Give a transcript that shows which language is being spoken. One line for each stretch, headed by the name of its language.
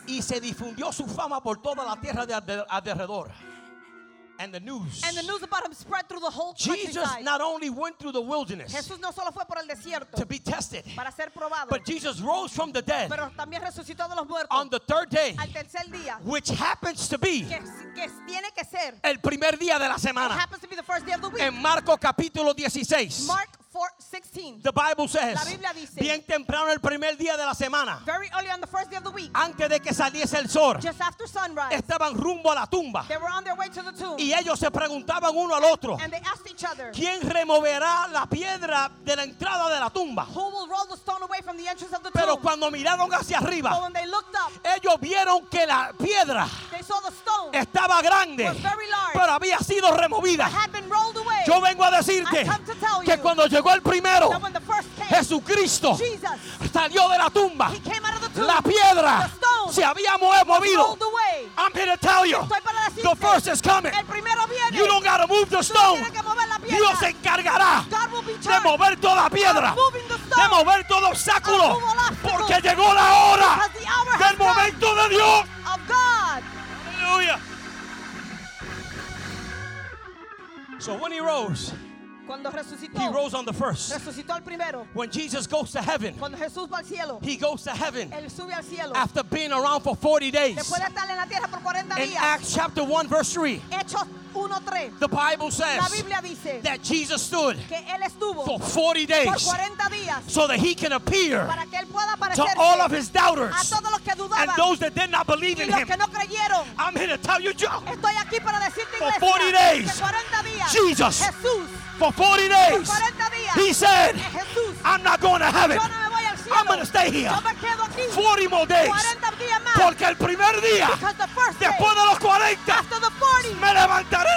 Spanish: Y se difundió su fama por toda la tierra de alrededor.
English: And the news. And the news about him spread through the whole countryside. Jesus not only went through the wilderness.
Spanish: Jesús no solo fue por el desierto.
English: To be tested.
Spanish: Para ser probado.
English: But Jesus rose from the dead.
Spanish: Pero también resucitó de los muertos.
English: On the third day.
Spanish: Al tercer día.
English: Which happens to be.
Spanish: Que tiene que ser. El primer día de la semana.
English: It happens to be the first day of the week.
Spanish: En Marco capítulo 16.
English: Mark 4:16. The Bible says.
Spanish: La Biblia dice. Bien temprano el primer día de la semana.
English: Very early on the first day of the week.
Spanish: Antes de que saliese el sol.
English: Just after sunrise.
Spanish: Estaban rumbo a la tumba.
English: They were on their way to the tomb.
Spanish: Y ellos se preguntaban uno al otro.
English: And they asked each other.
Spanish: ¿Quién removerá la piedra de la entrada de la tumba?
English: Who will roll the stone away from the entrance of the tomb?
Spanish: Pero cuando miraron hacia arriba.
English: But when they looked up.
Spanish: Ellos vieron que la piedra.
English: They saw the stone.
Spanish: Estaba grande.
English: Was very large.
Spanish: Pero había sido removida.
English: But had been rolled away.
Spanish: Yo vengo a decirte.
English: I come to tell you.
Spanish: Que cuando llegó el primero.
English: That when the first came,
Spanish: Jesucristo.
English: Jesus.
Spanish: Salió de la tumba.
English: He came out of the tomb.
Spanish: La piedra.
English: The stone.
Spanish: Se había movido.
English: Was rolled away. I'm here to tell you.
Spanish: Estoy para decirte.
English: The first is coming.
Spanish: El primero viene.
English: You don't gotta move the stone.
Spanish: Dios se encargará de mover toda piedra, de mover todo obstáculo, porque llegó la hora del momento de Dios. Aleluya.
English: So when he rose, he rose on the first. When Jesus goes to heaven, he goes to heaven after being around for 40 days. In Acts chapter 1 verse 3, the Bible says that Jesus stood for 40 days so that he can appear to all of his doubters and those that did not believe in him. I'm here to tell you, Joe, for 40 days, Jesus, for 40 days, he said, I'm not going to heaven. I'm going to stay here. 40 more days.
Spanish: Porque el primer día, después de los 40, me levantaré.